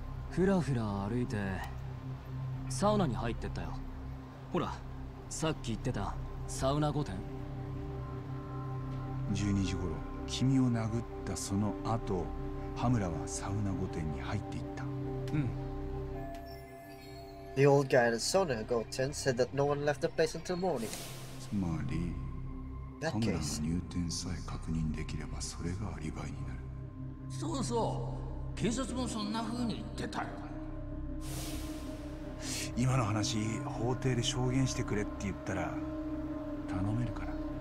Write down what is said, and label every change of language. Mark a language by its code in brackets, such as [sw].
[ja] ふらふら歩いてサウナに入ってったよ。ほら、さっき言ってたサウナ御殿。 12時頃、君を殴ったその後、羽村はサウナ御殿に入っていった。うん。 [en] The old guy at the sauna go ten said that no one left the place until morning. [ja] つまり、ハムラの入店さえ確認できればそれがアリバイになる。そうそう、警察もそんな風に言ってたよ。今の話、法廷で証言してくれって言ったら頼めるかな？